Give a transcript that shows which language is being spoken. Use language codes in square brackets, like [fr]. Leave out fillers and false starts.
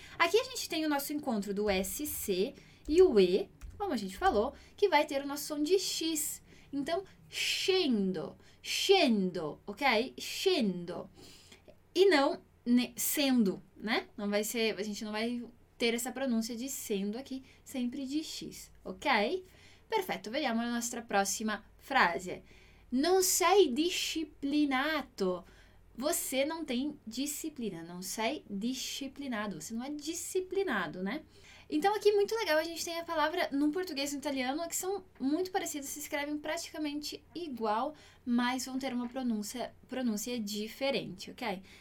[pt] Aqui a gente tem o nosso encontro do S, C e o E, como a gente falou, que vai ter o nosso som de X. Então, scendo, scendo, ok? Scendo. E não sendo, né? Não vai ser, a gente não vai ter essa pronúncia de sendo aqui, sempre de X, ok? [it] Perfetto, vediamo la nostra prossima frase. Non sei disciplinato. [pt] Você não tem disciplina, não sei disciplinado. Você não é disciplinado, né? Então, aqui, muito legal, a gente tem a palavra no português e no italiano, que são muito parecidas, se escrevem praticamente igual, mas vão ter uma pronúncia diferente, ok?